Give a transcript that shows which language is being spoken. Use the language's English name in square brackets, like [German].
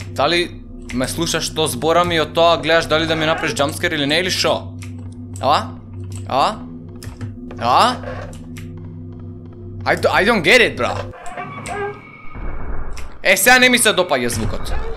[Macedonian] Дали ме слушаш што зборам и од тоа гледаш дали да ми направиш джампскер или не, или шо? [English] I don't get it, бро. [Macedonian] Е, сега не ми се допаѓа звукот.